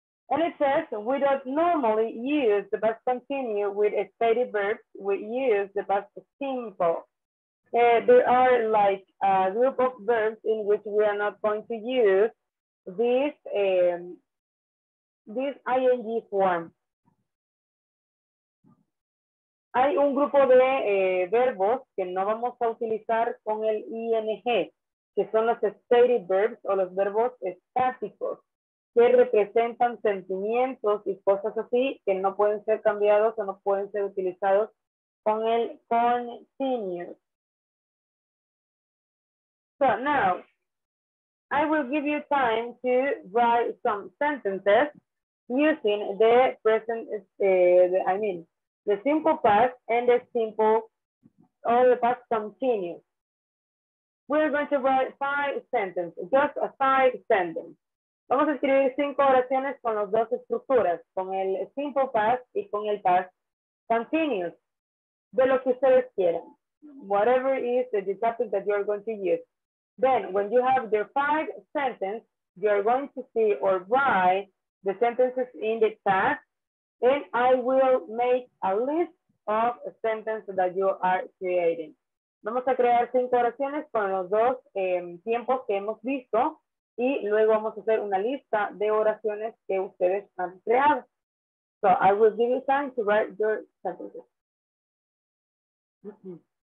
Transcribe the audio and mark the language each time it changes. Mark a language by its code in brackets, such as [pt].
[en] And it says, we don't normally use the past continuous with stated verbs. We use the past simple. There are like a group of verbs in which we are not going to use this this ing form. [es] Hay un grupo de verbos que no vamos a utilizar con el ing, que son los stated verbs o los verbos estáticos, que representan sentimientos y cosas así que no pueden ser cambiados o no pueden ser utilizados con el continuous. [en] So now, I will give you time to write some sentences using the present, the simple past and the simple or the past continuous. We're going to write five sentences, just a five sentences. [es] Vamos a escribir cinco oraciones con las dos estructuras, con el simple past y con el past continuous, de lo que ustedes quieran. [en] Whatever is the topic that you are going to use. Then, when you have the five sentences, you are going to see or write the sentences in the past, and I will make a list of sentences that you are creating. [es] Vamos a crear cinco oraciones con los dos tiempos que hemos visto, y luego vamos a hacer una lista de oraciones que ustedes han creado. [en] So, I will give you time to write your sentences.